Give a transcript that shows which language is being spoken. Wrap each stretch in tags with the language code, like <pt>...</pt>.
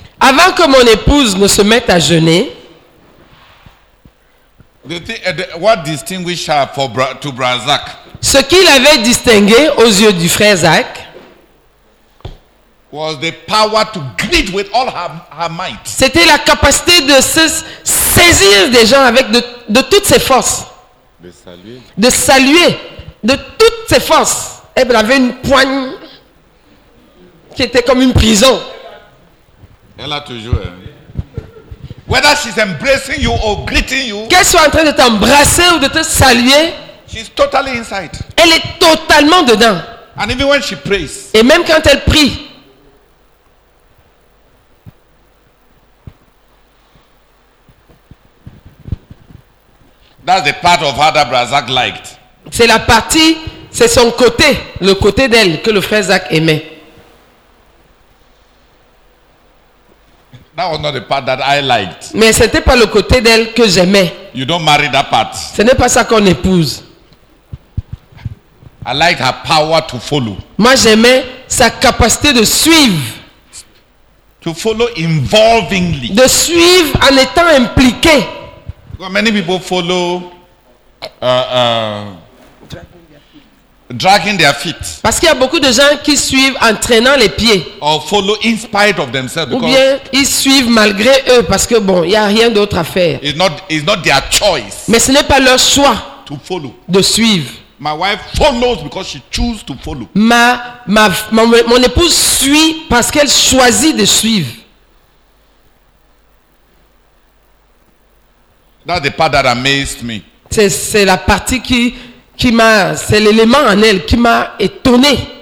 <fr>Avant que mon épouse ne se mette à jeûner.</fr> <en>What distinguished her for to Brother Zach?</en> <fr>Ce qui l'avait distingué aux yeux du frère Zach.</fr> <en>Was the power to greet with all her might.</en> <fr>C'était la capacité de se saisir des gens avec de toutes ses forces. De saluer de toutes ses forces. Elle avait une poigne qui était comme une prison. Elle a toujours. Hein.</fr> <en>Whether she's embracing you or greeting you.</en> <fr>Qu'elle soit en train de t'embrasser ou de te saluer.</fr> <en>She's totally inside.</en> <fr>Elle est totalement dedans.</fr> <en>And even when she prays.</en> <fr>Et même quand elle prie.</fr> <en>That's the part of her that Brother Zach liked.</en> <fr>C'est la partie, c'est son côté, le côté d'elle que le frère Zach aimait.</fr> <en>That was not the part that I liked.</en> <fr>Mais ce n'était pas le côté d'elle que j'aimais.</fr> <en>You don't marry that part.</en> <fr>Ce n'est pas ça qu'on épouse.</fr> <en>I liked her power to follow.</en> <fr>Moi j'aimais sa capacité de suivre.</fr> <en>To follow involvingly.</en> <fr>De suivre en étant impliqué.</fr> <en>Because many people follow dragging their feet.</en> <fr>Parce qu'il y a beaucoup de gens qui suivent en traînant les pieds.</fr> <en>Or follow in spite of themselves.</en> <fr>Ou bien ils suivent malgré eux parce que bon, il y a rien d'autre à faire.</fr> <en>It's not their choice.</en> <fr>Mais ce n'est pas leur choix.</fr> <en>To follow.</en> <fr>De suivre.</fr> <en>My wife follows because she chooses to follow.</en> <fr>Mon épouse suit parce qu'elle choisit de suivre.</fr> <en>That's the part that amazed me.</en> <fr>C'est la partie qui m'a, c'est l'élément en elle qui m'a étonné.</fr>